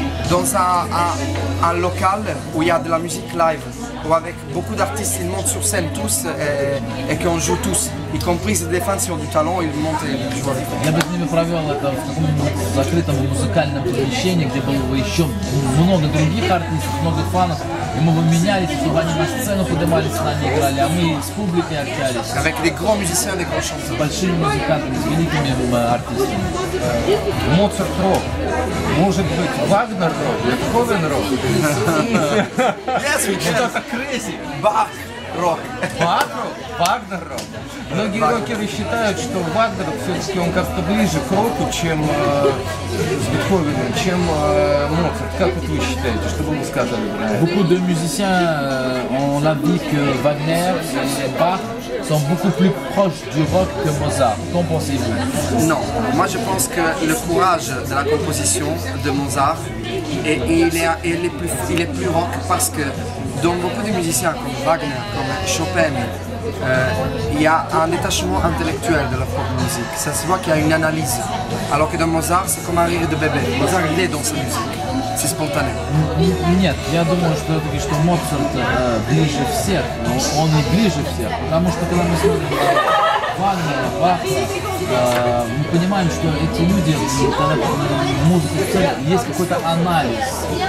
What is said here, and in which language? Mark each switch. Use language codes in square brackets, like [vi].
[fr] Dans un local où il y a de la musique live, où avec beaucoup d'artistes, ils montent sur scène tous et qu'on joue tous, y compris des fans qui ont du talent, ils montent et jouent. [ru] Я бы с ними провел это в каком-нибудь закрытом музыкальном помещении, где было бы еще много других артистов, много фанов, и мы бы менялись, чтобы они на сцену поднимались, с нами играли, а мы с публикой общались. [fr] Avec des grands musiciens, des grands chanteurs. [ru] С большими музыкантами, с великими артистами. Моцарт рок. Может быть, Вагнер рок, Бетховен рок. [en] Yes, we can. [ru] Это crazy. Бах рок. Бах рок? Вагнер рок. Многие рокеры считают, что Вагнер все-таки он как-то ближе к року, чем с Бетховеном, чем Моцарт. Как это вы считаете? Что бы вы сказали? [fr] Beaucoup de musiciens ont dit que Wagner et Bach sont beaucoup plus proches du rock que Mozart. Qu'en pensez-vous? Non, moi je pense que le courage de la composition de Mozart est plus rock parce que dans beaucoup de musiciens comme Wagner, comme Chopin, il y a un détachement intellectuel de la propre musique. Ça se voit qu'il y a une analyse. Alors que dans Mozart, c'est comme un rire de bébé. Mozart, il est dans sa musique. C'est spontané. [ru] Нет, я думаю, что это что Моцарт ближе всех. Он и ближе всех. Потому что когда мы смотрим барабанная, бахта. Мы понимаем, что эти люди, когда музыка в целом, есть какой-то анализ.